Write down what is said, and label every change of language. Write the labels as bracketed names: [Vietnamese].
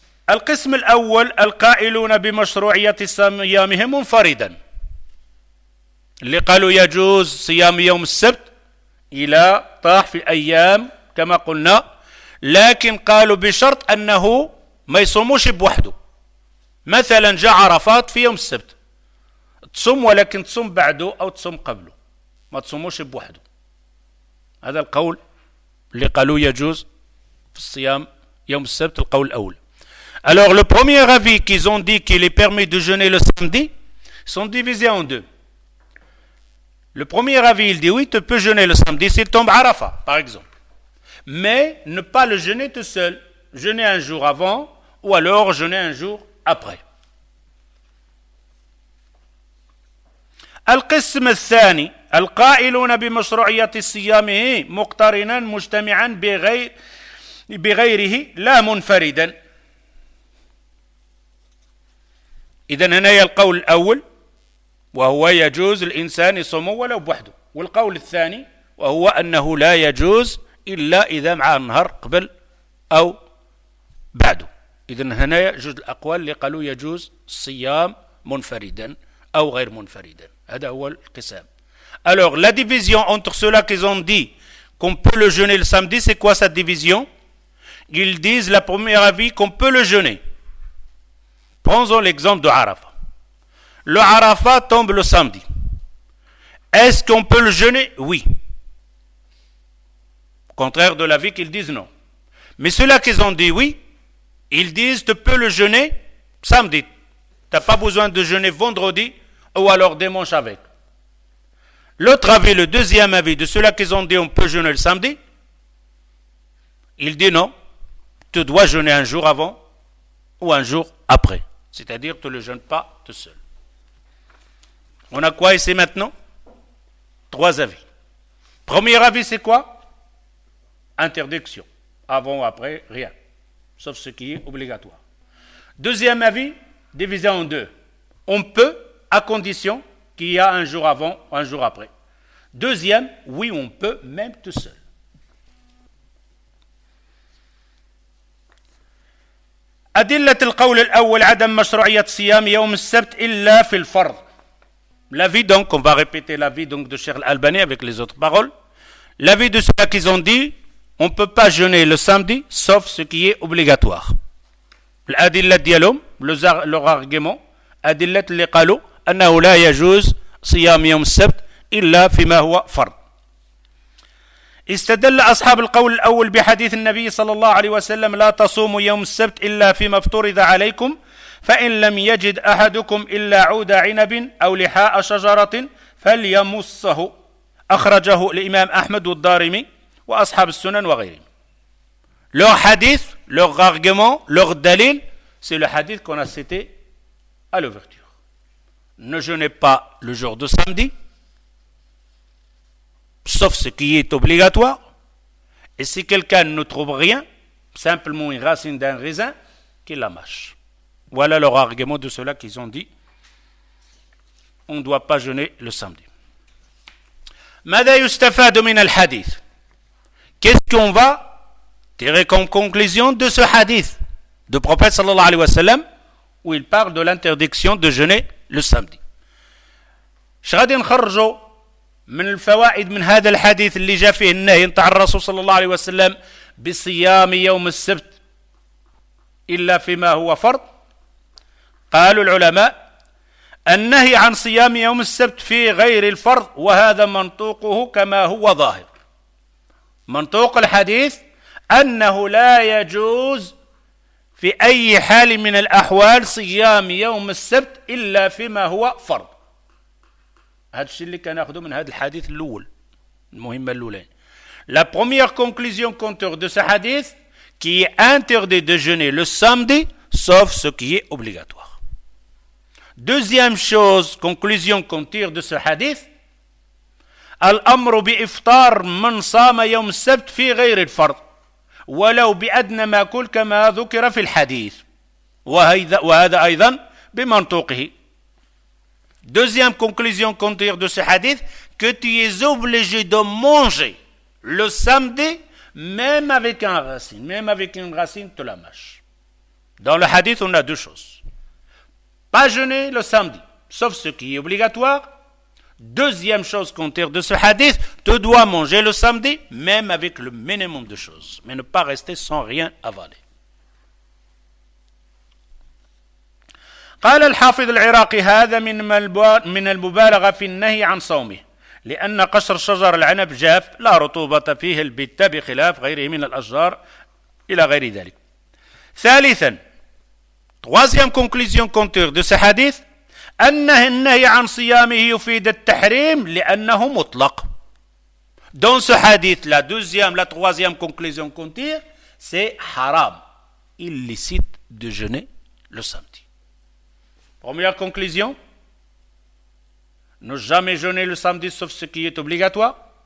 [Arabic] القسم الأول القائلون بمشروعية صيامهم منفردا اللي قالوا يجوز صيام يوم السبت إلى طاح في أيام كما قلنا لكن قالوا بشرط أنه ما يصوموش بوحده مثلا جاء عرفات في يوم السبت تصوم ولكن تصوم بعده أو تصوم قبله ما تصوموش بوحده هذا القول اللي قالوا يجوز في الصيام يوم السبت القول الأول [French] Alors, le premier avis qu'ils ont dit qu'il est permis de jeûner le samedi, sont divisés en deux. Le premier avis, il dit, oui, tu peux jeûner le samedi, s'il tombe Arafat, par exemple. Mais, ne pas le jeûner tout seul. Jeûner un jour avant, ou alors jeûner un jour après. [Arabic] Al-Qism al-Thani, Al-Qa'iluna bi-mashru'iyati siyamihi, muqtarinan, mujtami'an, bi-ghayrihi, la munfaridan. إذن هنا هي القول الأول وهو يجوز الإنسان يصوم ولو بوحده والقول الثاني وهو أنه لا يجوز إلا إذا مع النهار قبل أو بعده إذن هنا يجوز الأقوال اللي قالوا يجوز الصيام منفردا أو غير منفردا هذا هو القسام [French] Alors la division entre ceux-là qui ont dit qu'on peut le jeûner le samedi c'est quoi cette division Ils disent la première avis qu'on peut le jeûner Prenons l'exemple de Arafat. Le Arafat tombe le samedi. Est-ce qu'on peut le jeûner? Oui. Au contraire de l'avis qu'ils disent non. Mais ceux-là qui ont dit oui, ils disent tu peux le jeûner samedi. Tu n'as pas besoin de jeûner vendredi ou alors dimanche avec. L'autre avis, le deuxième avis de ceux-là qui ont dit on peut jeûner le samedi, ils disent non. Tu dois jeûner un jour avant ou un jour après. C'est-à-dire, tu ne le jeûnes pas tout seul. On a quoi ici maintenant? Trois avis. Premier avis, c'est quoi? Interdiction. Avant ou après, rien. Sauf ce qui est obligatoire. Deuxième avis, divisé en deux. On peut, à condition qu'il y a un jour avant ou un jour après. Deuxième, oui, on peut, même tout seul. [Arabic] أدلة القول الأول عدم مشروعية صيام يوم السبت إلا في الفرض. [French] La vie donc, on va répéter la vie donc de Cheikh Al-Albani avec les autres paroles. La vie de ceux qu'ils ont dit, on peut pas jeûner le samedi sauf ce qui est obligatoire. [Arabic] الأدلة ديالهم, [French] leur argument, [Arabic] أدلة اللي قالوا أنه لا يجوز صيام يوم السبت إلا فيما هو فرض. استدل أصحاب القول الأول بحديث النبي صلى الله عليه وسلم لا تصوموا يوم السبت إلا فيما افترض عليكم فإن لم يجد أحدكم إلا عود عنب أو لحاء شجرة فليمصه أخرجه الإمام أحمد والدارمي وأصحاب السنن وغيرهم [French] leur حديث leur argument leur دليل c'est le hadith qu'on a cité à l'ouverture ne jeûnez pas le jour de samedi sauf ce qui est obligatoire. Et si quelqu'un ne trouve rien, simplement une racine d'un raisin, qu'il la mâche. Voilà leur argument de cela qu'ils ont dit. On ne doit pas jeûner le samedi. [Arabic] ماذا يستفاد من الحديث? [French] Qu'est-ce qu'on va tirer comme conclusion de ce hadith du prophète sallallahu alayhi wa sallam où il parle de l'interdiction de jeûner le samedi. [Arabic] شغادين خرجوا من الفوائد من هذا الحديث اللي جاء فيه النهي نتاع الرسول صلى الله عليه وسلم بصيام يوم السبت إلا فيما هو فرض؟ قال العلماء: النهي عن صيام يوم السبت في غير الفرض، وهذا منطوقه كما هو ظاهر. منطوق الحديث أنه لا يجوز في أي حال من الأحوال صيام يوم السبت إلا فيما هو فرض. هذا الشيء اللي كناخذه من هذا الحديث الأول، المهمة الأولين. [French] La première conclusion qu'on tire de ce hadith, qui est interdit de jeûner le samedi, sauf ce qui est obligatoire. Deuxième chose, conclusion qu'on tire de ce hadith, [Arabic] الأمر بإفطار من صام يوم السبت في غير الفرض ولو بأدنى ما كل كما ذكر في الحديث. وهذا أيضا بمنطوقه. [French] Deuxième conclusion qu'on tire de ce hadith, que tu es obligé de manger le samedi, même avec un racine, même avec une racine, tu la mâches. Dans le hadith, on a deux choses. Pas jeûner le samedi, sauf ce qui est obligatoire. Deuxième chose qu'on tire de ce hadith, tu dois manger le samedi, même avec le minimum de choses, mais ne pas rester sans rien avaler. [Arabic] قال الحافظ العراقي: هذا من المبالغة في النهي عن صومه، لأن قشر شجر العنب جاف لا رطوبة فيه البتة بخلاف غيره من الأشجار إلى غير ذلك. ثالثا، [French] troisième conclusion qu'on tire de ce hadith، [Arabic] أن النهي عن صيامه يفيد التحريم لأنه مطلق. [French] Dans ce hadith، la deuxième, la troisième conclusion qu'on tire، c'est haram، illicite de jeûner le samedi. Première conclusion, ne jamais jeûner le samedi sauf ce qui est obligatoire.